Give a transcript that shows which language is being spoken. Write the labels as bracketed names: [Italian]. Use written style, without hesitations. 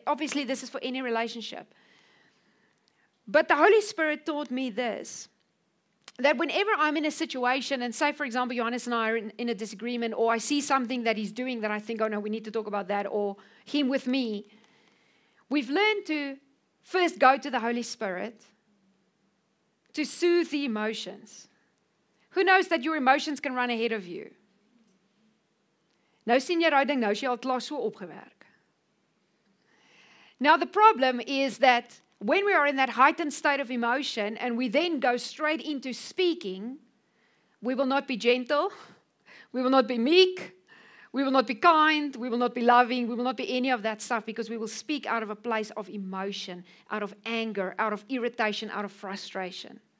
[English] Obviously, this is for any relationship. But the Holy Spirit taught me this, that whenever I'm in a situation, and say, for example, Johannes and I are in a disagreement, or I see something that he's doing that I think, oh, no, we need to talk about that, or him with me, we've learned to first go to the Holy Spirit to soothe the emotions. Who knows that your emotions can run ahead of you? [Afrikaans] Nou sien jy daai ding, nou is jy al klaar so opgewerk. [English] Now the problem is that when we are in that heightened state of emotion and we then go straight into speaking, we will not be gentle, we will not be meek, We will not be kind, we will not be loving, we will not be any of that stuff, because we will speak out of a place of emotion, out of anger, out of irritation, out of frustration.